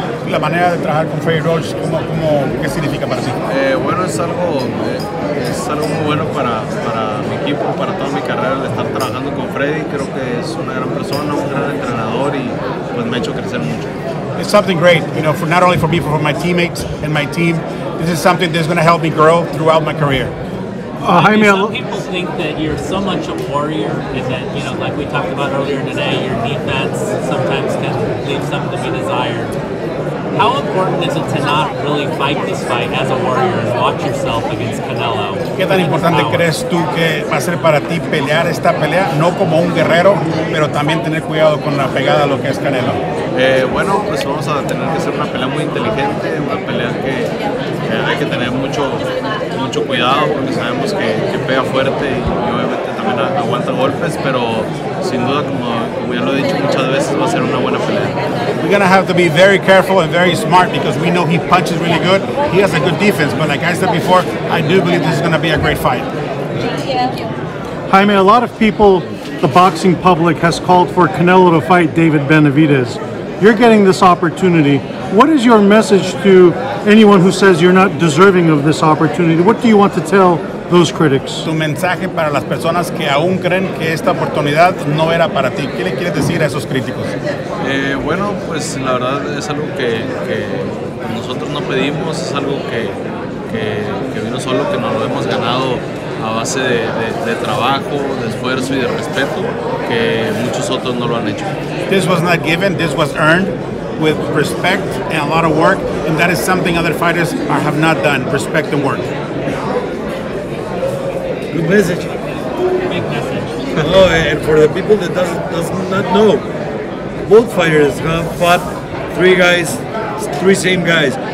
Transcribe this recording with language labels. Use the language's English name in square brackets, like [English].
[Spanish] La manera de trabajar con Freddie Roach, ¿cómo, qué significa para ti? Bueno, es algo muy bueno para mi equipo, para toda mi carrera, el estar trabajando con Freddie. Creo que es una gran persona, un gran entrenador, y pues me ha hecho crecer mucho. [English] It's something great, you know, for not only for me, but for my teammates and my team. This is something that's going to help me grow throughout my career. Jaime, some people think that you're so much a warrior, and that, you know, like we talked about earlier today, your defense sometimes can leave something to be desired. How important is it to not really fight this fight as a warrior and watch yourself against Canelo? [Spanish] ¿Qué tan importante crees tú que va a ser para ti pelear esta pelea, no como un guerrero, pero también tener cuidado con la pegada a lo que es Canelo? Bueno, pues vamos a tener que hacer una pelea muy inteligente, una pelea que hay que tener mucho cuidado, porque sabemos que pega fuerte y obviamente también aguanta golpes, pero sin duda, como ya lo he dicho muchas veces, va a ser una buena pelea. [English] We're going to have to be very careful and very smart, because we know he punches really good. He has a good defense, but like I said before, I do believe this is going to be a great fight. Thank you. Jaime, a lot of people, the boxing public, has called for Canelo to fight David Benavidez. You're getting this opportunity. What is your message to anyone who says you're not deserving of this opportunity? What do you want to tell those critics? [Spanish] Tu mensaje para las personas que aún creen que esta oportunidad no era para ti. ¿Qué le quieres decir a esos críticos? Bueno, pues la verdad es algo que nosotros no pedimos, es algo que vino solo, que nos lo hemos ganado a base de trabajo, de esfuerzo y de respeto, que muchos otros no lo han hecho. [English] This was not given, this was earned with respect and a lot of work, and that is something other fighters have not done, respect and work. Good message. Big message. Hello, and for the people that does not know, both fighters have fought three same guys.